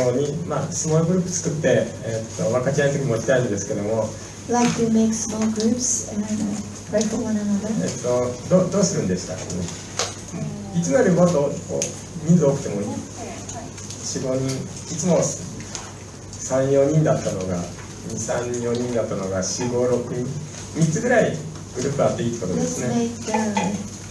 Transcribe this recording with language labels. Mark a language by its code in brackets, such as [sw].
[ja] ゃあ、いつものように、まあ、スモールグループ作って、分かち合いの時持ちたいんですけども、 [en] Like you make small groups and pray for one another. [ja] どうするんですか、うん、いつもよりもっと人数多くてもいい。 4、5人、いつも3、4人だったのが2、3、4人だったのが4、5、6人、3つぐらいグループあっていいってことですね。